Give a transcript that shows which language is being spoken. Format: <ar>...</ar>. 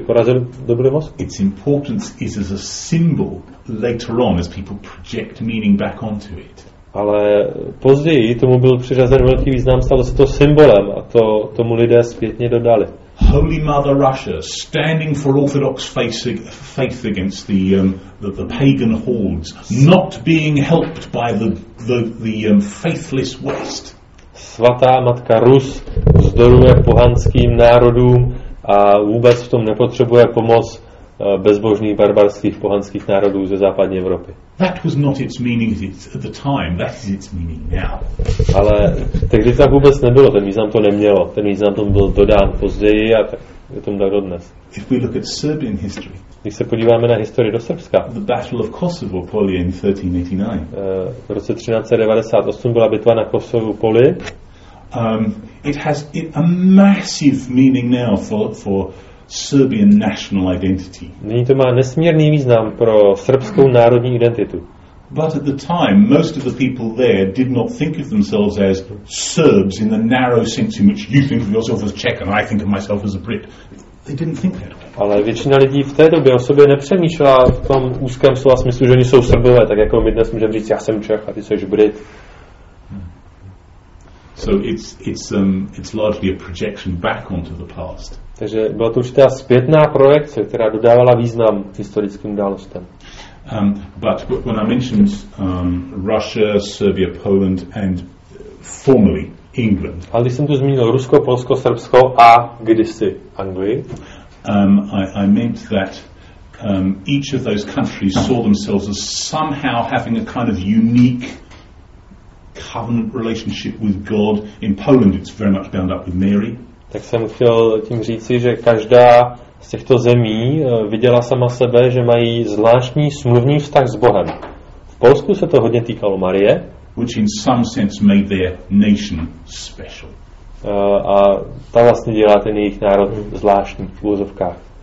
<cs>Porazili dobré Moskvy.</cs> <en>Its importance is as a symbol later on as people project meaning back onto it.</en> <cs>Ale později tomu byl přiřazen velký význam, stalo se to symbolem a to tomu lidé zpětně dodali.</cs> <en>Holy Mother Russia standing for Orthodox faith against the pagan hordes, not being helped by the faithless West.</en> <cs>Svatá matka Rus vzdoruje pohanským národům a vůbec v tom nepotřebuje pomoc bezbožných barbarských pohanských národů ze západní Evropy.</cs> <en>That was not its meaning at the time, that is its meaning now.</en> <cs>Ale tehdy to tak vůbec nebylo, ten význam to nemělo, ten význam tomu byl dodán později a tak je tomu tak dodnes.</cs> <en>If we look at Serbian history.</en> <cs>Když se podíváme na historii do Srbska.</cs> <en>The Battle of Kosovo Poli in 1389.</en> <cs>V roce 1398 byla bitva na Kosovu Poli.</cs> <en>It has a massive meaning now for Serbian national identity.</en> <cs>Nyní to má nesmírný význam pro srbskou národní identitu.</cs> <en>But at the time, most of the people there did not think of themselves as Serbs in the narrow sense in which you think of yourself as Czech and I think of myself as a Brit. They didn't think that way.</en> <cs>Ale většina lidí v té době o sobě nepřemýšlela v tom úzkém slova smyslu, že oni jsou Srbové, tak jako my dnes můžeme říct, já jsem Čech a ty jsi Brit.</cs> <en>So it's largely a projection back onto the past.</en> <cs>Takže byla to určitá zpětná projekce, která dodávala význam historickým událostem.</cs> <en>But when I mentioned Russia, Serbia, Poland and formerly England.</en> <cs>Ale když jsem tu zmínil Rusko, Polsko, Srbsko a kdysi Anglii.</cs> <en>I meant that each of those countries saw themselves as somehow having a kind of unique covenant relationship with God. In Poland it's very much bound up with Mary.</en> <cs>Tak jsem chtěl tím říci, že každá z těchto zemí viděla sama sebe, že mají zvláštní smluvní vztah s Bohem. V Polsku se to hodně týkalo Marie.</cs> <en>Which in some sense made their nation special.</en> <cs>A ta vlastně dělá ten jejich národ zvláštní v úvozovkách.</cs>